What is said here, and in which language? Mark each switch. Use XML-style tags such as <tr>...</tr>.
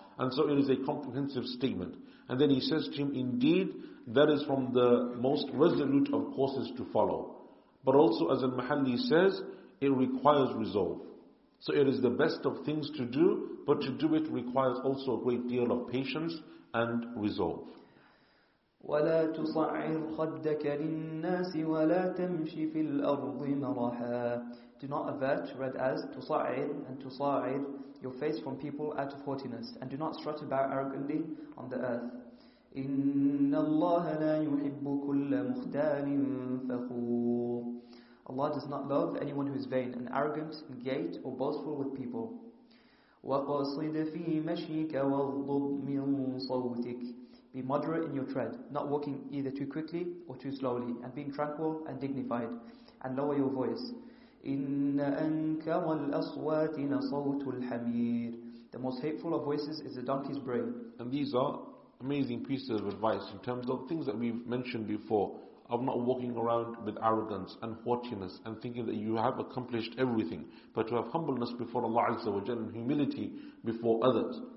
<en>And so it is a comprehensive statement. And then he says to him, indeed, that is from the most resolute of courses to follow. But also, as Al-Mahalli says, it requires resolve. So it is the best of things to do, but to do it requires also a great deal of patience and resolve.</en> <ar>ولا تصعر خدك للناس ولا تمشي في الأرض مرحا.</ar> <en>Do not avert, read as تصعر and تصعر, your face from people out of haughtiness, and do not strut about arrogantly on the earth.</en> <ar>إن الله لا يحب كل مختال فخور.</ar> <en>Allah does not love anyone who is vain and arrogant and gait or boastful with people.</en> <ar>وقصد في مشيك واغضب من صوتك.</ar> <en>Be moderate in your tread, not walking either too quickly or too slowly, and being tranquil and dignified, and lower your voice.</en> <ar>إِنَّ أَنْكَرَ الْأَصْوَاتِ لَصَوْتُ الْحَمِيرِ.</ar> <en>The most hateful of voices is the donkey's bray. And these are amazing pieces of advice in terms of things that we've mentioned before, of not walking around with arrogance and haughtiness and thinking that you have accomplished everything, but to have humbleness before Allah Azza wa Jalla and humility before others.</en>